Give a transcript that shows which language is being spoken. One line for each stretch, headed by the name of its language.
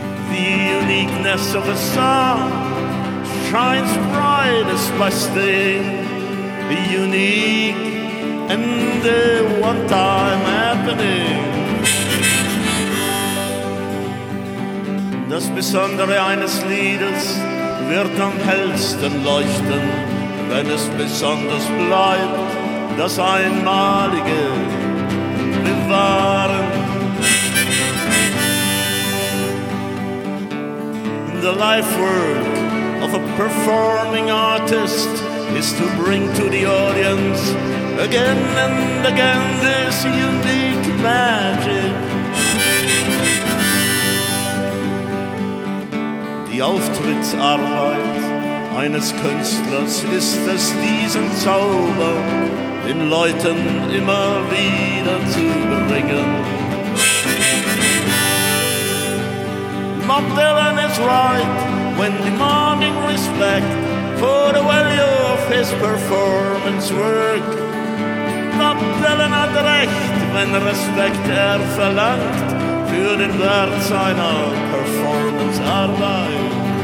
English: The uniqueness of a song shines brightest by staying unique and the one time happening.
German: Das Besondere eines Liedes wird am hellsten leuchten, wenn es besonders bleibt, das Einmalige bewahren.
English: The life work of a performing artist is to bring to the audience again and again this unique magic.
German: Die Auftrittsarbeit eines Künstlers ist es, diesen Zauber den Leuten immer wieder zu bringen.
English: Bob Dylan is right when demanding respect for the value of his performance work.
German: Bob Dylan hat recht, wenn Respekt verlangt für den Wert seiner Performance Arbeit.